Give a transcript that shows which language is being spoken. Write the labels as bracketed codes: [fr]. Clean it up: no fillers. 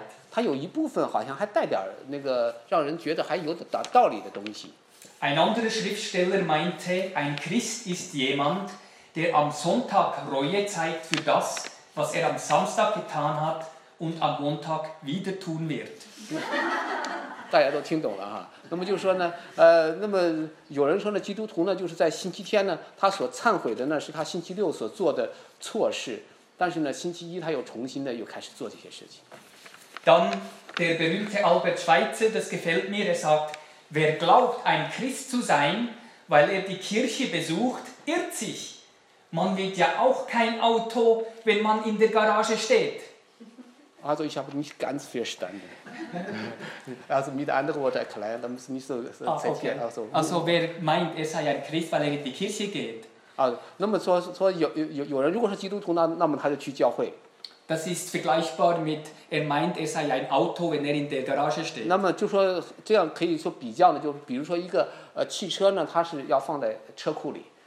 [zh] 它有一部分好像还带点那个让人觉得还有点道理的东西。 [de] Ein anderer Schriftsteller meinte, ein Christ ist jemand, der am Sonntag Reue zeigt für das, was am Samstag getan hat und am Montag wieder tun wird. [zh] 大家都听懂了哈，那么就是说呢，那么有人说呢，基督徒呢，就是在星期天呢，他所忏悔的呢，是他星期六所做的错事，但是呢，星期一他又重新的又开始做这些事情。 [de] Dann der berühmte Albert Schweitzer, das gefällt mir, er sagt, wer glaubt, ein Christ zu sein, weil er die Kirche besucht, irrt sich. Man wird ja auch kein Auto, wenn man in der Garage steht. Also ich habe nicht ganz verstanden. Also mit anderen Worten erklären, da müssen wir nicht so zettieren. Okay. Also wer meint, er sei ein Christ, weil er in die Kirche geht? [zh] Also, 那么说有人如果是基督徒，那么他就去教会。 [de] Das ist vergleichbar mit, er meint, er sei ein Auto, wenn er in der Garage steht. [zh] 那么就说这样可以说比较呢，就比如说一个汽车呢，它是要放在车库里。